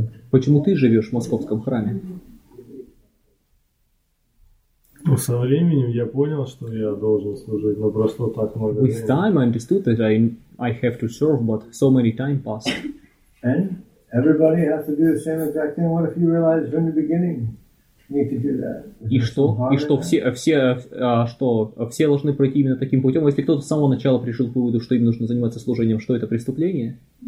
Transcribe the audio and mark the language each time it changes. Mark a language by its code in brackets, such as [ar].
[ru] Почему ты живешь в московском храме? Ну, со временем я понял, что я должен служить, но прошло так много времени. [en] With time I understood that I have to serve, but so many time passed. And everybody has to do the same exact thing. What if you realize from the beginning you need to do that? [ru] И что все должны пройти именно таким путем? Если кто-то с самого начала пришел к выводу, что им нужно заниматься служением, что это преступление?